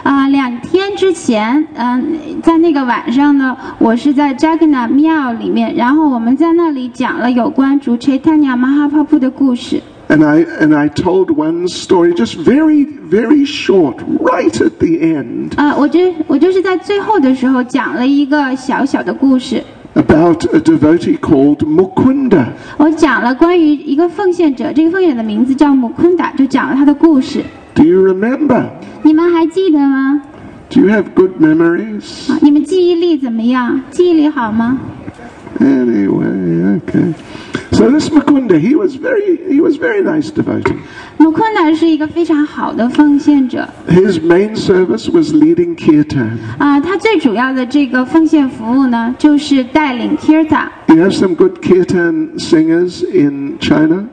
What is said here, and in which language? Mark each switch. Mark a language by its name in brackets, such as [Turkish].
[Chinese] 两天之前，在那个晚上呢，我是在 Jagannath 庙里面，然后我们在那里讲了有关主 Chaitanya Mahaprabhu 的故事。 [English] And I told one story, just very, very short, right at the end. [Chinese] 我就是在最后的时候讲了一个小小的故事。 [English] About a devotee called Mukunda. [Chinese] 我讲了关于一个奉献者，这个奉献者的名字叫 Mukunda， 就讲了他的故事。 [English] Do you remember? [Chinese] 你们还记得吗？ [English] Do you have good memories? [Chinese] 你们记忆力怎么样？记忆力好吗？ [English] Anyway, okay. So this Mukunda, he was very nice devotee. [Chinese] Mukunda 是一个非常好的奉献者。 [English] His main service was leading kirtan. [Chinese] 他最主要的这个奉献服务呢，就是带领 kirtan。 [English] You have some good kirtan singers in China.